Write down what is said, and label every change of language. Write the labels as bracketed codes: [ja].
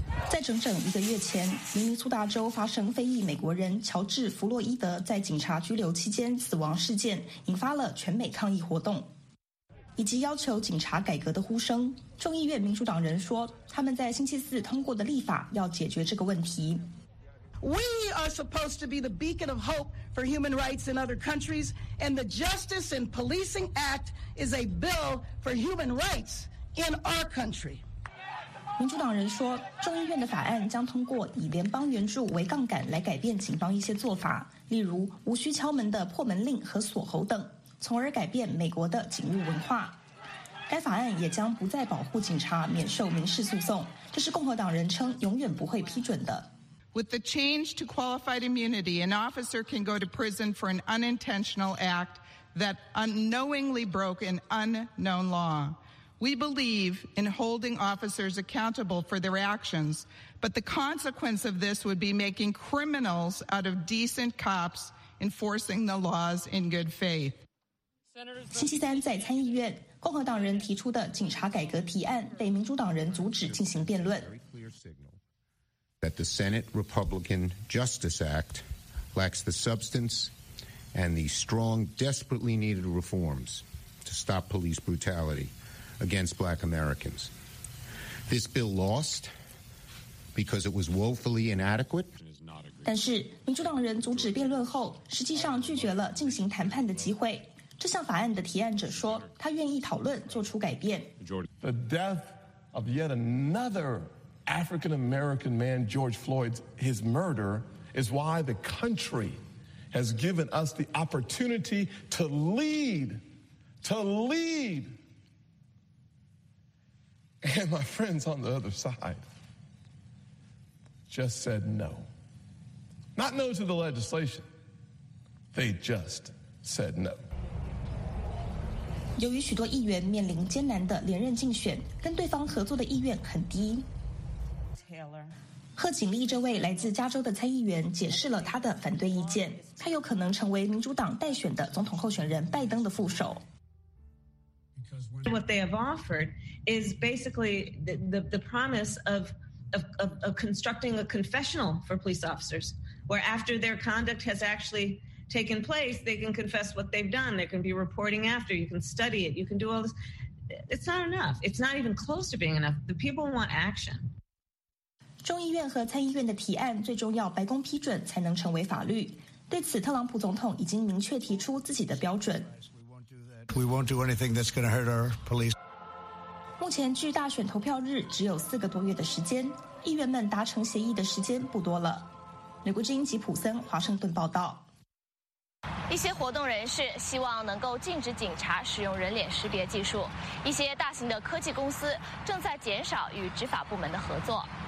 [zh] 在整整一个月前，明尼苏达州发生非裔美国人乔治·弗洛伊德在警察拘留期间死亡事件，引发了全美抗议活动，以及要求警察改革的呼声。众议院民主党人说，他们在星期四通过的立法要解决这个问题。 [en] We are supposed to be the beacon of hope for human rights in other countries, and the Justice and Policing Act is a bill for human rights in our country. [zh] 民主党人说，众议院的法案将通过以联邦援助为杠杆来改变警方一些做法，例如无需敲门的破门令和锁喉等，从而改变美国的警务文化。该法案也将不再保护警察免受民事诉讼，这是共和党人称永远不会批准的。 [en] With the change to qualified immunity, an officer can go to prison for an unintentional act that unknowingly broke an unknown law. We believe in holding officers accountable for their actions, but the consequence of this would be making criminals out of decent cops enforcing the laws in good faith. [zh] 星期三在参议院，共和党人提出的警察改革提案被民主党人阻止进行辩论。 [en] That the Senate Republican Justice Act lacks the substance and the strong, desperately needed reforms to stop police brutality. Against Black Americans. This bill lost because it was woefully inadequate. [zh] 但是民主党人阻止辩论后，实际上拒绝了进行谈判的机会。这项法案的提案者说，他愿意讨论，做出改变。 [en] The death of yet another African American man, George Floyd, his murder is why the country has given us the opportunity to lead, to lead. And my friends on the other side just said no. Not no to the legislation. They just said no. [zh] 由于许多议员面临艰难的连任竞选，跟对方合作的意愿很低。贺锦丽这位来自加州的参议员解释了他的反对意见，他有可能成为民主党代选的总统候选人拜登的副手。 [en] What they have offered is basically the promise of constructing a confessional for police officers, where after their conduct has actually. taken place, they can confess what they've done. They can be reporting after. You can study it. You can do all this. It's not enough. It's not even close to being enough. The people want action. [zh] 众议院和参议院的提案最终要白宫批准才能成为法律。对此，特朗普总统已经明确提出自己的标准。 [en] We won't do anything that's going to hurt our police. [zh] 目前距大选投票日只有四个多月的时间，议员们达成协议的时间不多了。美国之音吉普森，华盛顿报道。一些活动人士希望能够禁止警察使用人脸识别技术，一些大型的科技公司正在减少与执法部门的合作。